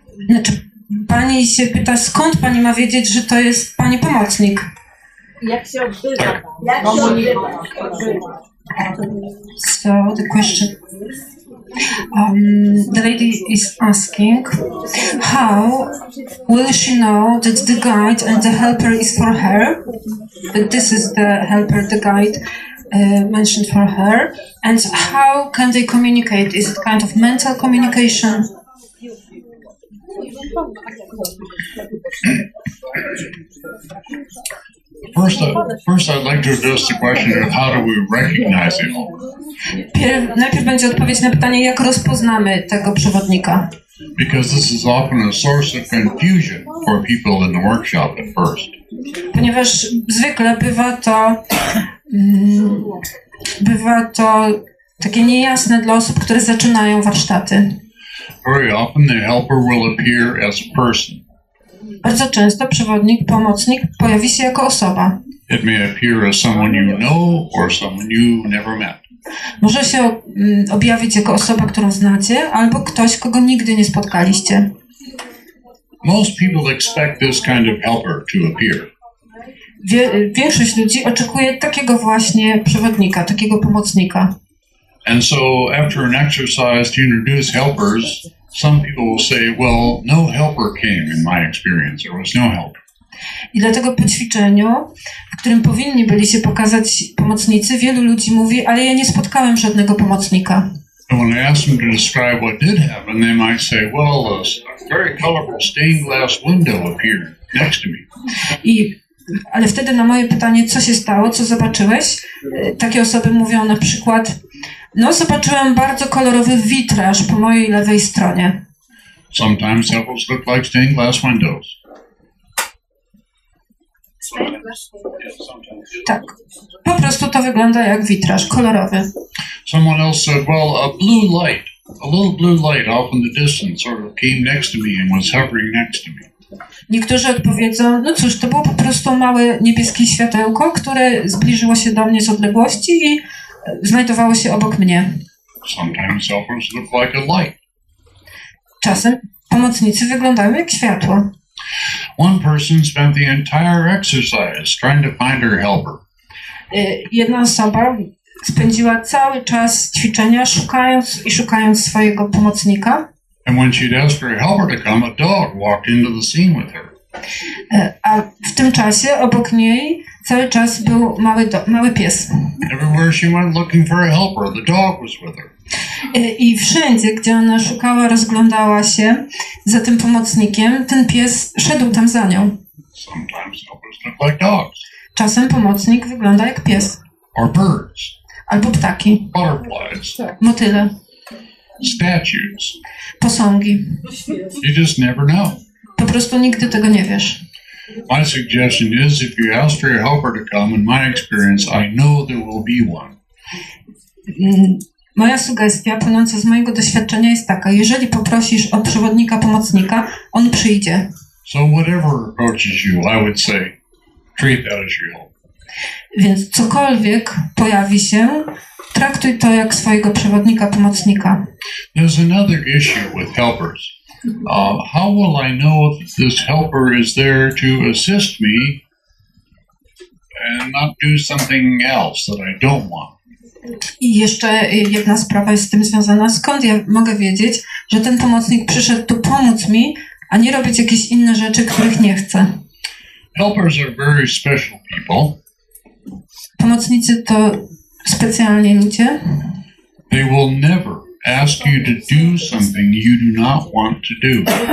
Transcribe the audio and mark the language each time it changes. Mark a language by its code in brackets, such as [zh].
[pl] Znaczy, pani się pyta, skąd pani ma wiedzieć, że to jest pani pomocnik? Jak się odbywa? Jak się odbywa? [en] So the question, the lady is asking, how will she know that the guide and the helper is for her? That this is the helper, the guide mentioned for her. And how can they communicate? Is it kind of mental communication? First, I'd like to address the question of how do we recognize him. [pl] Najpierw będzie odpowiedź na pytanie, jak rozpoznamy tego przewodnika. [en] Because this is often a source of confusion for people in the workshop at first. [pl] Ponieważ zwykle bywa to takie niejasne dla osób, które zaczynają warsztaty. [en] Very often the helper will appear as a person. [pl] Bardzo często przewodnik, pomocnik pojawi się jako osoba. [en] It may appear as someone you know or someone you never met. [pl] Może się objawić jako osoba, którą znacie, albo ktoś, kogo nigdy nie spotkaliście. [en] Most people expect this kind of helper to appear. [pl] Większość ludzi oczekuje takiego właśnie przewodnika, takiego pomocnika. [en] And so after an exercise to introduce helpers, some people will say, well, no helper came in my experience. There was no helper. [pl] I dlatego po ćwiczeniu, w którym powinni byli się pokazać pomocnicy, wielu ludzi mówi, ale ja nie spotkałem żadnego pomocnika. [en] And when I ask them to describe what did happen, they might say, well, a very colorful stained glass window appeared next to me. [pl] Ale wtedy na moje pytanie, co się stało, co zobaczyłeś, takie osoby mówią na przykład, no zobaczyłem bardzo kolorowy witraż po mojej lewej stronie. [en] Sometimes helpers look like stained glass windows. [pl] Tak, po prostu to wygląda jak witraż kolorowy. [en] Someone else said, well, a blue light, a little blue light off in the distance sort of came next to me and was hovering next to me. [pl] Niektórzy odpowiedzą, no cóż, to było po prostu małe niebieskie światełko, które zbliżyło się do mnie z odległości i znajdowało się obok mnie. [en] Sometimes helpers look like a light. [pl] Czasem pomocnicy wyglądają jak światło. [en] One person spent the entire exercise trying to find her helper. [pl] Jedna osoba spędziła cały czas ćwiczenia szukając swojego pomocnika. [en] And when she'd asked her helper to come, a dog walked into the scene with her. [pl] A w tym czasie obok niej cały czas był mały pies. [en] Everywhere she went looking for a helper, the dog was with her. [pl] I wszędzie, gdzie ona szukała, rozglądała się za tym pomocnikiem, ten pies szedł tam za nią. [en] Sometimes helpers look like dogs. [pl] Czasem pomocnik wygląda jak pies. [en] Or birds. [pl] Albo ptaki. [en] Butterflies. [pl] Motyle. [en] Statues. [pl] Posągi. [en] You just never know. [pl] Po prostu nigdy tego nie wiesz. [en] My suggestion is, if you ask for your helper to come, in my experience, I know there will be one. [pl] Moja sugestia płynąca z mojego doświadczenia jest taka, jeżeli poprosisz o przewodnika, pomocnika, on przyjdzie. [en] So whatever approaches you, I would say, treat that as your helper. [pl] Więc cokolwiek pojawi się, traktuj to jak swojego przewodnika, pomocnika. [en] There's another issue with helpers. How will I know if this helper is there to assist me and not do something else that I don't want? [pl] I jeszcze jedna sprawa jest z tym związana. Skąd ja mogę wiedzieć, że ten pomocnik przyszedł tu pomóc mi, a nie robić jakieś inne rzeczy, których nie chcę? [en] Helpers are very special people. [pl] Pomocnicy to specjalni ludzie. [en] They will never ask you to do something you do not want to do.